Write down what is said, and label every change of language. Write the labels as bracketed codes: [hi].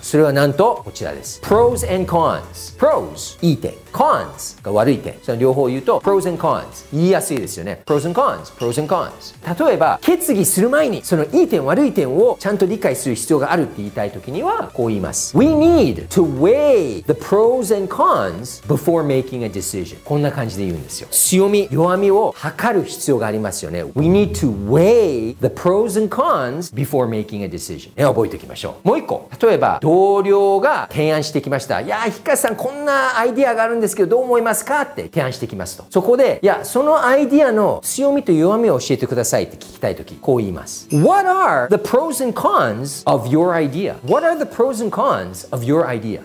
[ja] それはなんと、こちらです。 pros and cons。 pros、いい点。cons が悪い点。その両方言うと、pros and cons。言いやすいですよね。pros and cons、pros and cons。例えば、決議する前に、そのいい点、悪い点をちゃんと理解する必要があるって言いたいときには、こう言います。 [en] We need to weigh the pros and cons before making a decision。 [ja] こんな感じで言うんですよ。強み、弱みを測る必要がありますよね。 [en] We need to weigh the pros and cons before making a decision。 [ja] ね、覚えておきましょう。もう一個。例えば、同僚が提案してきました。いやー、ヒカさん、こんなアイディアがあるんですけど、どう思いますかって提案してきますと、そこで、いや、そのアイディアの強みと弱みを教えてくださいって聞きたいとき、こう言います。 [en] What are the pros and cons of your idea? What are the pros and cons of your idea?